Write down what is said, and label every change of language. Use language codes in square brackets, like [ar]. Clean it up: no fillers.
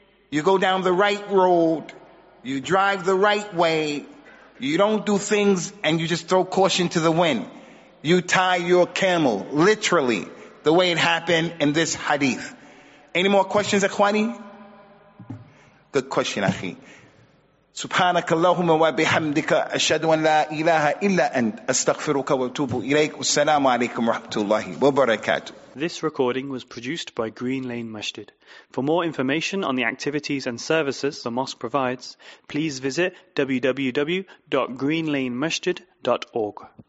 [en] You go down the right road, you drive the right way, you don't do things and you just throw caution to the wind. You tie your camel, literally, the way it happened in this hadith. Any more questions, Akhwani? Good question, Akhi. [ar] سبحانك اللهم وبحمدك أشهد أن لا إله إلا أنت أستغفرك وأتوب إليك والسلام عليكم ورحمة الله وبركاته. [en] This recording was produced by Green Lane Masjid. For more information on the activities and services the mosque provides, please visit www.greenlanemasjid.org.